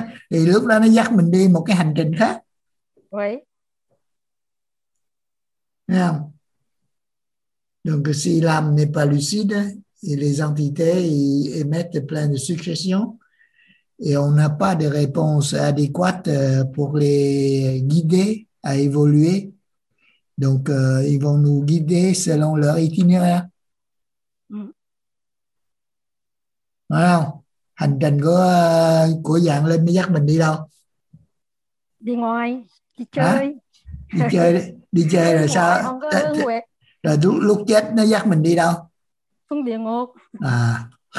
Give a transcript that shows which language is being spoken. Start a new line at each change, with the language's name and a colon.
Vietnamese: Thì lúc đó nó dắt mình đi một cái hành trình khác. Vậy. Nghe không?
French: Donc si l'âme n'est pas lucide et les entités émettent plein de suggestions et on n'a pas de réponse adéquate pour les guider à évoluer. Donc, ils vont nous guider selon leur itinéraire.
Vietnamese: Nói không? Hành trình của dạng lên mới dắt mình đi đâu? Đi ngoài, đi chơi. Đi chơi rồi sao? Rồi lúc chết nó dắt mình đi đâu? Xuống địa ngục. À.